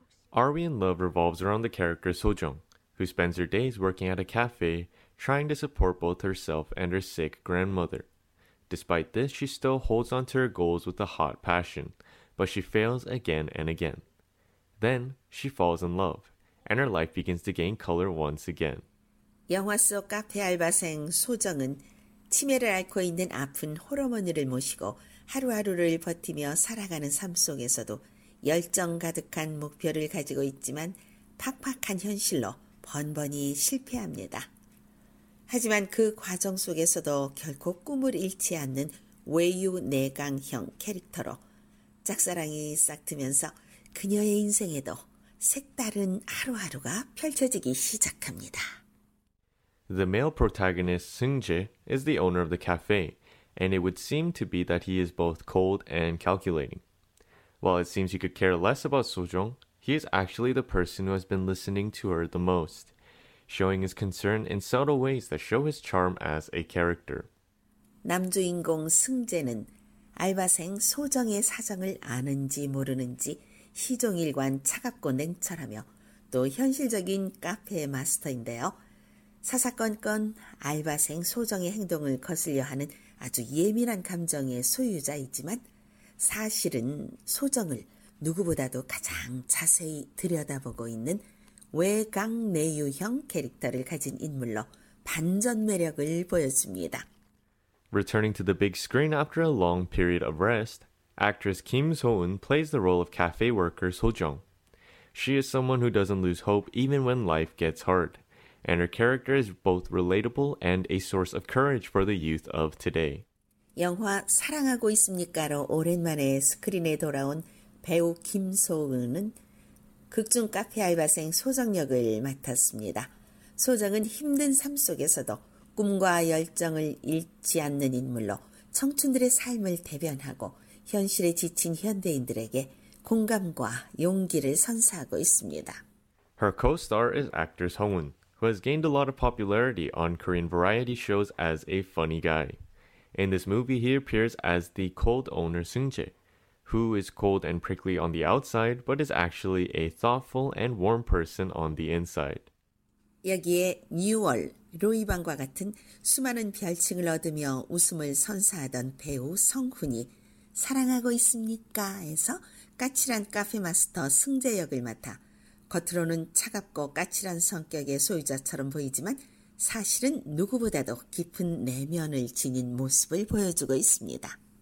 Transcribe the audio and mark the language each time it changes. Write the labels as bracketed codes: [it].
[en] 'Are We in Love' revolves around the character So Jung, who spends her days working at a cafe. Trying to support both herself and her sick grandmother. Despite this, she still holds on to her goals with a hot passion, but she fails again and again. Then, she falls in love, and her life begins to gain color once again. [ko] 영화 속 카페 알바생 소정은 치매를 앓고 있는 아픈 홀어머니를 모시고 하루하루를 버티며 살아가는 삶 속에서도 열정 가득한 목표를 가지고 있지만 팍팍한 현실로 번번이 실패합니다. 하지만 그 과정 속에서도 결코 꿈을 잃지 않는 외유내강형 캐릭터로 짝사랑이 싹트면서 그녀의 인생에도 색다른 하루하루가 펼쳐지기 시작합니다. [en] The male protagonist, Seung-jae, is the owner of the cafe, and it would seem to be that he is both cold and calculating. While it seems he could care less about So-jung, he is actually the person who has been listening to her the most. Showing his concern in subtle ways that show his charm as a character. [ko] 남주인공 승재는 알바생 소정의 사정을 아는지 모르는지 시종일관 차갑고 냉철하며 또 현실적인 카페 마스터인데요. 사사건건 알바생 소정의 행동을 거슬려 하는 아주 예민한 감정의 소유자이지만 사실은 소정을 누구보다도 가장 자세히 들여다보고 있는 외강내유형 캐릭터를 가진 인물로 반전 매력을 보여줍니다. [en] Returning to the big screen after a long period of rest, Actress Kim So-eun plays the role of cafe worker So-jung. She is someone who doesn't lose hope even when life gets hard, and her character is both relatable and a source of courage for the youth of today. [ko] 영화 사랑하고 있습니까?로 오랜만에 스크린에 돌아온 배우 김소은은 극중 카페 알바생 소정 역을 맡았습니다. 소정은 힘든 삶 속에서도 꿈과 열정을 잃지 않는 인물로 청춘들의 삶을 대변하고 현실에 지친 현대인들에게 공감과 용기를 선사하고 있습니다. [en] Her co-star is actor Seong-un, who has gained a lot of popularity on Korean variety shows as a funny guy. In this movie, he appears as the cold owner Seung-jae, who is cold and prickly on the outside, but is actually a thoughtful and warm person on the inside. [ko] 여기에 뉴월, 로이방과 같은 수많은 별칭을 얻으며 웃음을 선사하던 배우 성훈이 사랑하고 있습니까? 에서 까칠한 카페 마스터 승재 역을 맡아 겉으로는 차갑고 까칠한 성격의 소유자처럼 보이지만 사실은 누구보다도 깊은 내면을 지닌 모습을 보여주고 있습니다.